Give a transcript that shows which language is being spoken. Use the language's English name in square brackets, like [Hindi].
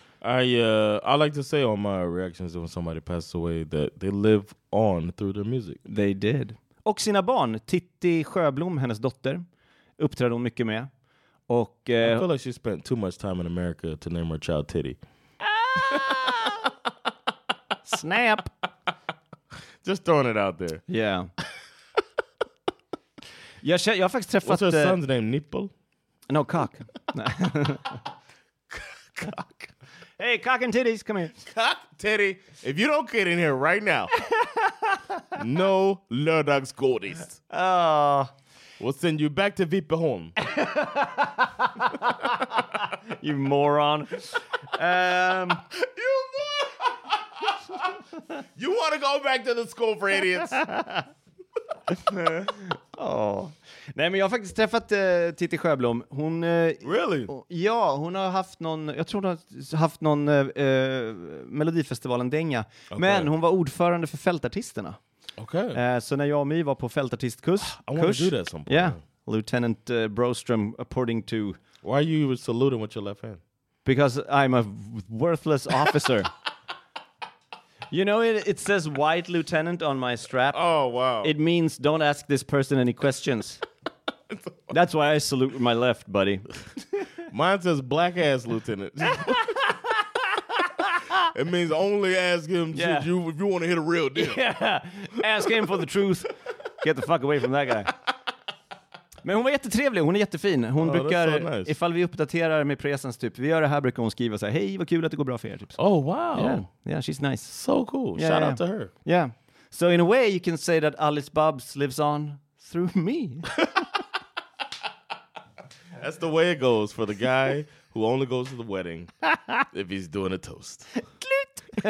[English] I like to say on my reactions when somebody passed away that they live on through their music. They did. [Swedish] Och sina barn, Titti Sjöblom, hennes dotter, uppträdde hon mycket med. Och, [English] I feel like she spent too much time in America to name her child Titty. Snap! Just throwing it out there. Yeah. [Swedish] Jag har faktiskt träffat... [English] What's her son's name, Nipple? No, Cock. Cock. Hey, Cock and Titties, come here. Cock, Titty, if you don't get in here right now, no [Swedish] lördags godis. [English] We'll send you back to Vipeholm. You moron. You moron! You want to go back to the school for idiots? Oh. [Swedish] Nej, men jag har faktiskt träffat Titti Sjöblom. Hon, [English] really? [Swedish] Ja, hon har haft någon, jag tror hon har haft någon Melodifestivalen dänga. [English] Okay. [Swedish] Men hon var ordförande för fältartisterna. [English] Okay. [Swedish] Så när jag och My var på fältartistkurs. [English] I want to do that some point. Yeah, Lieutenant Broström, according to... Why are you saluting with your left hand? Because I'm a worthless officer. You know, it says white lieutenant on my strap. Oh, wow. It means don't ask this person any questions. That's why I salute my left, buddy. Mine says black ass lieutenant. It means only ask him if you want to hit a real deal. Yeah. Ask him for the truth. Get the fuck away from that guy. [Swedish] Men hon var jättetrevlig, hon är jättefin. Hon brukar, [English] that's so nice. [Swedish] Ifall vi uppdaterar med presens typ, vi gör det här, brukar hon skriva så här: hej, vad kul att det går bra för er. Typ. [English] Oh, wow. Yeah, she's nice. So cool. Yeah, shout out to her. Yeah. So in a way you can say that Alice Babs lives on through me. That's the way it goes for the guy who only goes to the wedding if he's doing a toast. [Swedish] Klut!